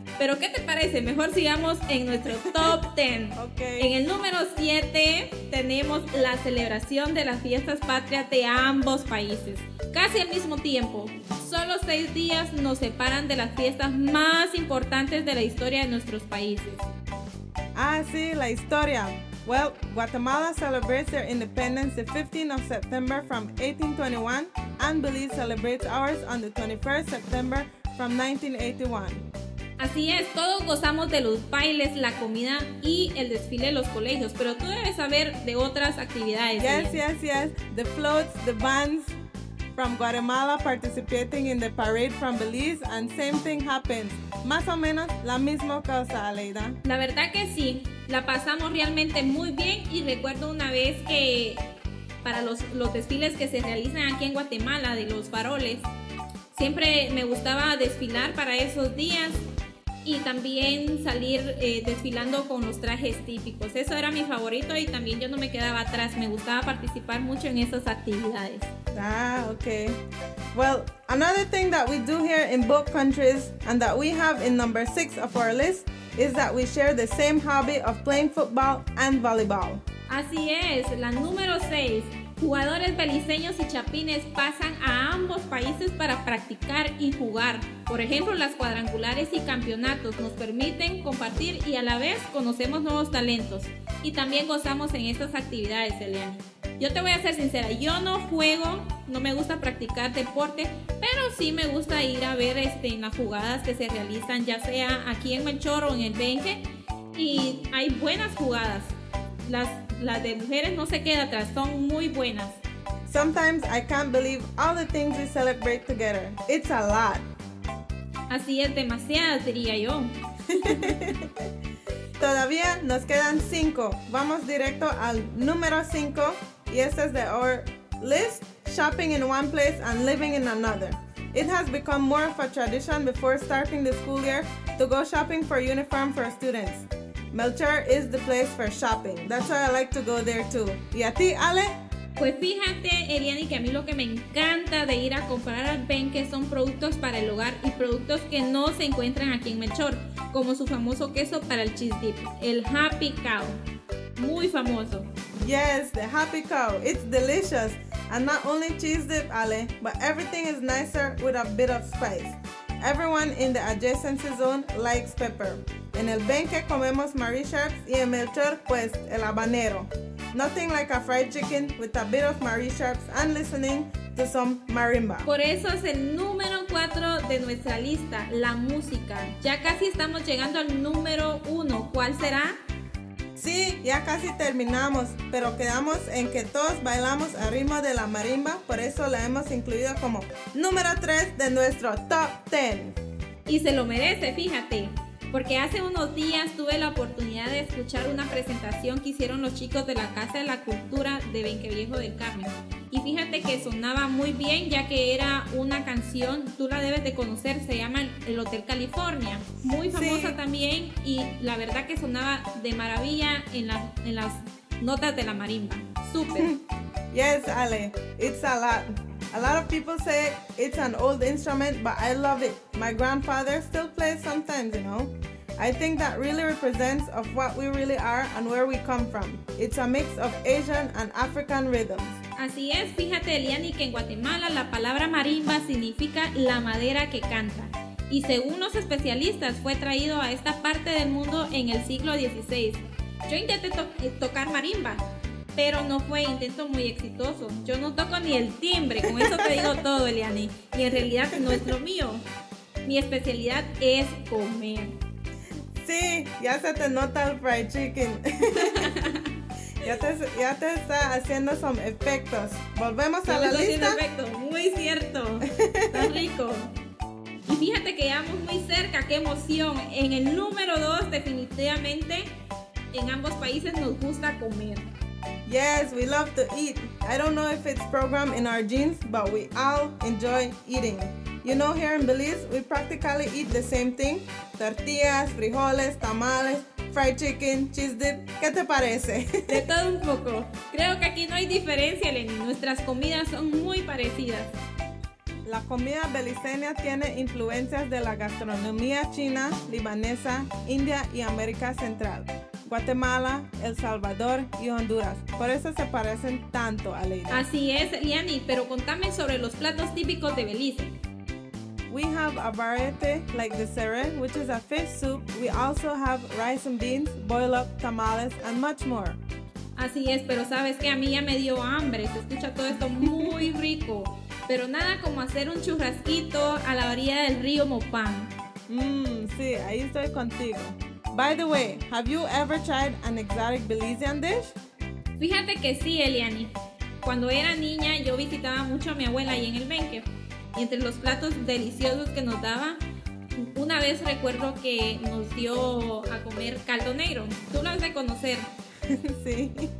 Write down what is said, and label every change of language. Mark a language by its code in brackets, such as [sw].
[es] Pero, ¿qué te parece? Mejor sigamos en nuestro top 10. [en] Okay. [es] En el número 7 tenemos la celebración de las fiestas patrias de ambos países. Casi al mismo tiempo. Solo 6 días nos separan de las fiestas más importantes de la historia de nuestros países. Ah, sí, la historia. [en] Well, Guatemala celebrates their independence the 15th of September from 1821 and Belize celebrates ours on the 21st September from 1981. [es] Así es, todos gozamos de los bailes, la comida y el desfile de los colegios, pero tú debes saber de otras actividades. [en] Yes. The floats, the bands from Guatemala participating in the parade from Belize and same thing happens. [es] Más o menos la misma cosa, Aleida. La verdad que sí, la pasamos realmente muy bien y recuerdo una vez que para los desfiles que se realizan aquí en Guatemala de los faroles, siempre me gustaba desfilar para esos días. Y también salir desfilando con los trajes típicos. Eso era mi favorito y también yo no me quedaba atrás. Me gustaba participar mucho en esas actividades. [en] Ah, okay. Well, another thing that we do here in both countries and that we have in number 6 of our list is that we share the same hobby of playing football and volleyball. [es] Así es, la número 6. Jugadores beliceños y chapines pasan a ambos países para practicar y jugar. Por ejemplo, las cuadrangulares y campeonatos nos permiten compartir y a la vez conocemos nuevos talentos. Y también gozamos en estas actividades, Eliani. Yo te voy a ser sincera, yo no juego, no me gusta practicar deporte, pero sí me gusta ir a ver en las jugadas que se realizan, ya sea aquí en Melchor o en el Benque. Y hay buenas jugadas. Las de mujeres no se queda atrás, son muy buenas. [en] Sometimes I can't believe all the things we celebrate together. It's a lot. [es] Así es, demasiadas, diría yo. Todavía nos quedan 5. Vamos directo al número 5. Y este es de [en] our list, shopping in one place and living in another. It has become more of a tradition before starting the school year to go shopping for uniform for students. Melchor is the place for shopping. That's why I like to go there too. [es] ¿Y a ti, Ale? Pues fíjate, Eliani, que a mí lo que me encanta de ir a comprar al Ben, que son productos para el hogar y productos que no se encuentran aquí en Melchor, como su famoso queso para el cheese dip, el Happy Cow. Muy famoso. [en] Yes, the Happy Cow. It's delicious. And not only cheese dip, Ale, but everything is nicer with a bit of spice. Everyone in the Adjacency Zone likes pepper. [es] En el Benque comemos marisharps y en Melchor, pues, el habanero. [en] Nothing like a fried chicken with a bit of marisharps and listening to some marimba. [es] Por eso es el número 4 de nuestra lista, la música. Ya casi estamos llegando al número 1. ¿Cuál será? Sí, ya casi terminamos, pero quedamos en que todos bailamos al ritmo de la marimba, por eso la hemos incluido como número 3 de nuestro top 10. Y se lo merece, fíjate, porque hace unos días tuve la oportunidad de escuchar una presentación que hicieron los chicos de la Casa de la Cultura de Benquevillejo del Carmen. Y fíjate que sonaba muy bien, ya que era una canción, tú la debes de conocer, se llama El Hotel California. Muy famosa sí. También, y la verdad que sonaba de maravilla en las notas de la marimba. Súper. [en] Yes, Ale, it's a lot. A lot of people say it's an old instrument, but I love it. My grandfather still plays sometimes, you know? I think that really represents of what we really are and where we come from. It's a mix of Asian and African rhythms. [es] Así es, fíjate, Eliani, que en Guatemala la palabra marimba significa la madera que canta. Y según los especialistas, fue traído a esta parte del mundo en el siglo XVI. Yo intenté tocar marimba, pero no fue intento muy exitoso. Yo no toco ni el timbre, con eso te digo todo, Eliani. Y en realidad no es lo mío. Mi especialidad es comer. Sí, ya se te nota el fried chicken. Ya te está haciendo some efectos. Volvemos a la lista. Efecto. Muy cierto. Está rico. Y fíjate que llegamos muy cerca. Qué emoción. En el número 2, definitivamente, en ambos países nos gusta comer. [en] Yes, we love to eat. I don't know if it's programmed in our genes, but we all enjoy eating. You know, here in Belize, we practically eat the same thing. Tortillas, frijoles, tamales, fried chicken, cheese dip. [es] ¿Qué te parece? De todo un poco. Creo que aquí no hay diferencia, Eleni. Nuestras comidas son muy parecidas. La comida beliceña tiene influencias de la gastronomía china, libanesa, india y América Central. Guatemala, El Salvador y Honduras. Por eso se parecen tanto, Eleni. Así es, Eleni. Pero contame sobre los platos típicos de Belice. We have a variety like the seré, which is a fish soup. We also have rice and beans, boil up, tamales, and much more. Así es, pero sabes que a mí ya me dio hambre. Se escucha todo esto muy rico. Pero nada como hacer un churrasquito a la orilla del río Mopán. Sí, ahí estoy contigo. [en] By the way, have you ever tried an exotic Belizean dish? [es] Fíjate que sí, Eliani. Cuando era niña, yo visitaba mucho a mi abuela ahí en el Benque. Y entre los platos deliciosos que nos daba, una vez recuerdo que nos dio a comer caldo negro. Tú lo has de conocer. Sí.